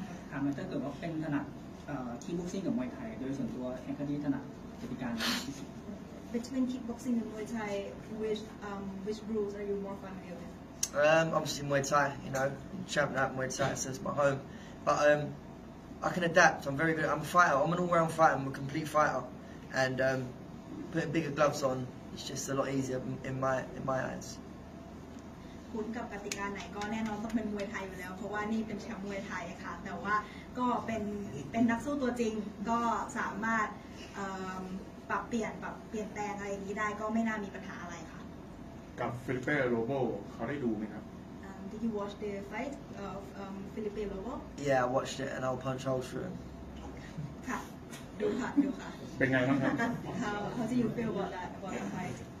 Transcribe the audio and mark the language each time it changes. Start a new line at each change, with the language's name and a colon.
Thai: ถามว่าถ้าเกิดว่าเป็นถนัดคิกบ็อกซิ่งกับมวยไทยโดยส่วนตัวแอนคาดี้ถนัดจะมีการ
English: between kickboxing and Muay Thai which rules are you more familiar with obviously Muay Thai, you know, champion at Muay Thai, so it's my home. But I can adapt, I'm very good, I'm a fighter, I'm an all-round fighter, I'm a complete fighter. And putting bigger gloves on, it's just a lot easier in my eyes.
Thai: คุ้นกับกติกาไหนก็แน่นอนต้องเป็นมวยไทยอยู่แล้วเพราะว่านี่เป็นแชมป์มวยไทยค่ะแต่ว่าก็เป็นนักสู้ตัวจริงก็สามารถปรับเปลี่ยนแปลงอะไรนี้ได้ก็ไม่น่ามีปัญหาอะไรค่ะ กับฟิลิปเป้โรโบเขาได้ดูไหมครับ
English: Did you watch the fight of Felipe Lobo? Yeah, I watched it and I'll punch all through him.
Thai: ค่ะดูค่ะดูค่ะ เป็นไงบ้างครับ
English: How do you feel about that fight?